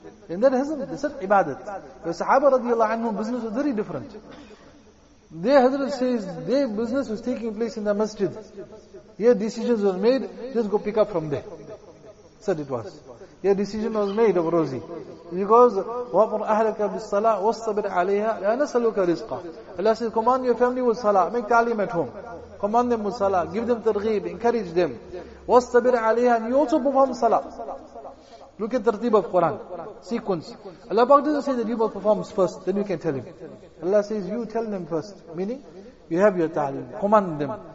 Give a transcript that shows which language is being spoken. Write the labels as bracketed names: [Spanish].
[English] And that hasn't, it's not ibadat. The Sahaba radiallahu anhu business was very different. Their Hazrat says their business was taking place in the masjid. Here decisions were made, just go pick up from there. Said it was. Here decision was made of Rosi. Because, [Arabic] وَأْمُرْ أَهْلَكَ بِالصَّلَاةِ وَاصْطَبِرْ عَلَيْهَا لَنَسْأَلُكَ رِزْقًا. [English] Allah says, command your family with salah, make ta'lim at home. Command them with salah, give them targhib, encourage them. [Arabic] وَاصْطَبِرْ عَلَيْهَا, [English] and you also perform salah. Look at the tartib of Quran, sequence. Allah Pak doesn't say that you must perform first, then you can tell him. Allah says, you tell them first, meaning you have your ta'lim, command them.